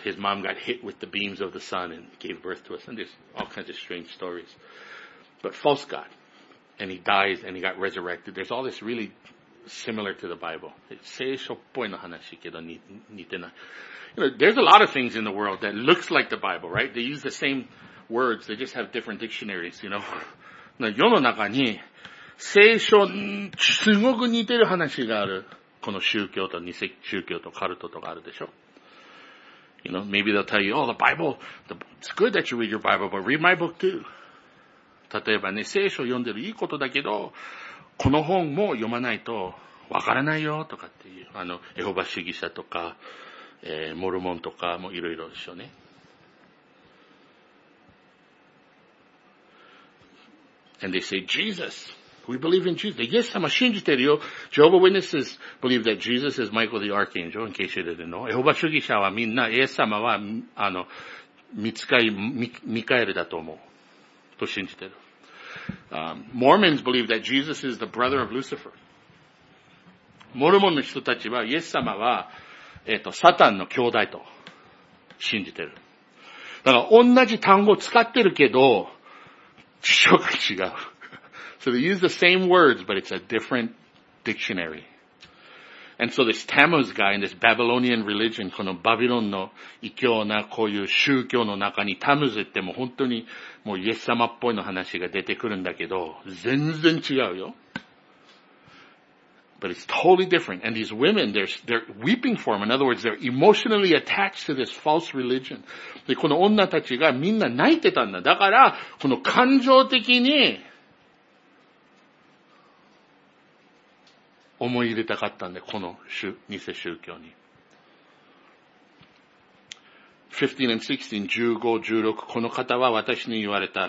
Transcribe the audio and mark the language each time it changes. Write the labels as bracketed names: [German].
[English] His mom got hit with the beams of the sun and gave birth to us. And there's all kinds of strange stories. But false god. And he dies and he got resurrected. There's all this really similar to the Bible. You know, there's a lot of things in the world that looks like the Bible, right? They use the same words. They just have different dictionaries, you know. [Japanese] 世の中に聖書にすごく似てる話がある。この宗教と偽宗教とカルトとかあるでしょ。 [English] You know, maybe they'll tell you, oh, the Bible, it's good that you read your Bible, but read my book too. [Japanese] 例えばね、聖書を読んでるいいことだけど、この本も読まないとわからないよとかっていう。エホバ主義者とか、モルモンとかもいろいろでしょうね。 [English] And they say, Jesus, we believe in Jesus. Yes, I'm a [Japanese] 信じてるよ。 [English] Jehovah's Witnesses believe that Jesus is Michael the Archangel, in case you didn't know. [Japanese] エホバ主義者はみんな、イエス様は、ミカエルだと思う。と信じてる。 [English] Mormons believe that Jesus is the brother of Lucifer. [Japanese] モルモンの人たちは、イエス様は、サタンの兄弟と信じてる。だから、同じ単語使ってるけど、 [English] So they use the same words, but it's a different dictionary. And so this Tammuz guy in this Babylonian religion, [Japanese] このバビロンの異教なこういう宗教の中にタムズってもう本当にもうイエス様っぽいの話が出てくるんだけど、全然違うよ。 [English] But it's totally different. And these women, they're weeping for him. In other words, they're emotionally attached to this false religion. [Japanese] で、この女たちがみんな泣いてたんだ。だから、この感情的に思い入れたかったんだ。この偽宗教に。 [English] 15 and 16, 15, 16, [Japanese] この方は私に言われた。